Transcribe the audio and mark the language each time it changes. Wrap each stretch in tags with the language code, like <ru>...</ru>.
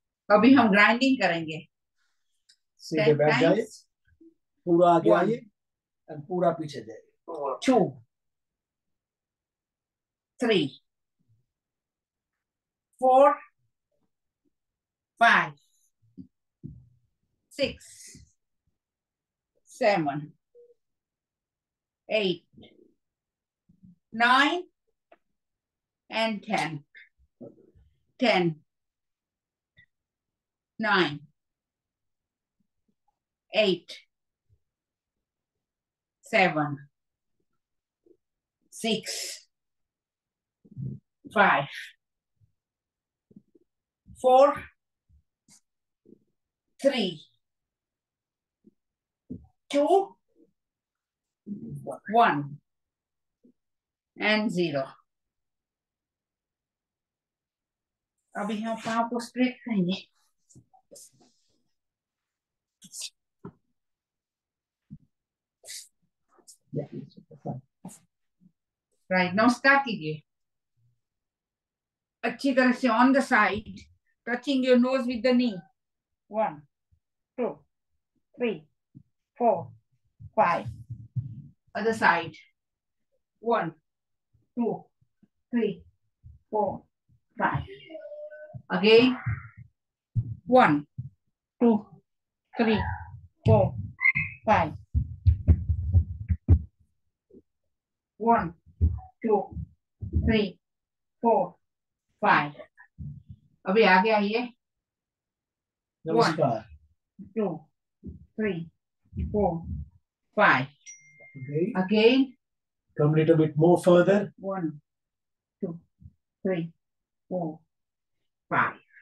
<hi>अभी हम ग्राइंडिंग करेंगे, सीधे बैठ जाइए, पूरा आगे आइए और पूरा पीछे जाइए,</hi> <en>Two three four five six seven eight nine and ten, ten nine, eight, seven, six, five, four, three, two, one, and zero.</en> <hi>अभी हम पांव को स्ट्रेट करेंगे।</hi> <en>right,</en> <hi>नमस्कार कीजिए, अच्छी तरह से</hi> <en>On the side touching your nose with the knee, one two three four five, other side one two three four five, again one two three four five, one, two, three, four, five.</en> <hi>अभी आगे आइए,</hi> <en>one, two, three, four, five. Okay. Again. Come a little bit more further. One, two, three, four, five.</en>